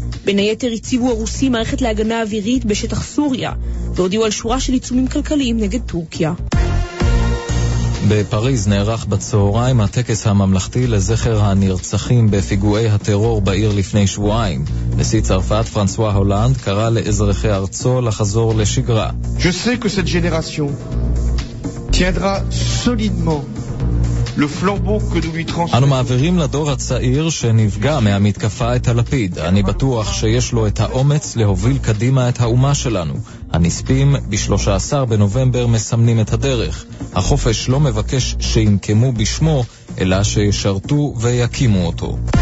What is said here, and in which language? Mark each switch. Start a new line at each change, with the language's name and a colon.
Hebrew: בין היתר הציבו הרוסים מערכת להגנה אווירית בשטח סוריה, והודיעו על שורה של עיצומים כלכליים נגד טורקיה. בפריז נערך בצהריים הטקס הממלכתי לזכר הנרצחים בפיגועי הטרור בעיר לפני שבועיים. נשיא צרפת פרנסואה הולנד קרא לאזרחי ארצו לחזור לשגרה.
French: Je sais que cette génération tiendra solidement le flambeau que nous lui transmettons.
Hebrew: אנו מעבירים לדור הצעיר שנפגע מהמתקפה את הלפיד. אני בטוח שיש לו את האומץ להוביל קדימה את האומה שלנו. הנספים ב-13 בנובמבר מסמנים את הדרך. החופש לא מבקש שינקמו בשמו, אלא שישרתו ויקימו אותו.